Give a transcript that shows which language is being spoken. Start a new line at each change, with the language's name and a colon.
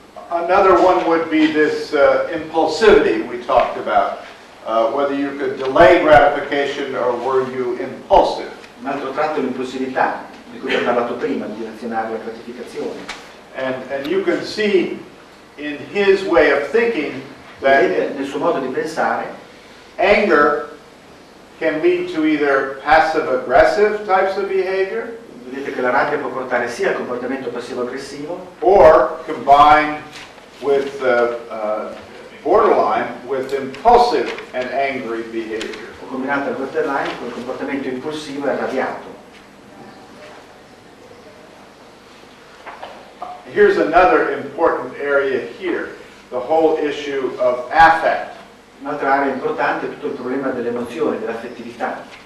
English: Another one would be this impulsivity we talked about, whether you could delay gratification or were you impulsive.
Italian: Un altro tratto è l'impulsività, di cui ho parlato prima, di dilazionare la gratificazione.
English: And you can see in his way of thinking that
Italian: nel suo modo di pensare,
English: anger can lead to either passive-aggressive types of behavior,
Italian: vedete che la rabbia può portare sia al comportamento passivo-aggressivo,
English: or combined with borderline with impulsive and angry behavior,
Italian: o combinato al borderline col comportamento impulsivo e arrabbiato.
English: Here's another important area here, the whole issue of affect.
Italian: Un'altra area importante è tutto il problema delle emozioni, dell'affettività.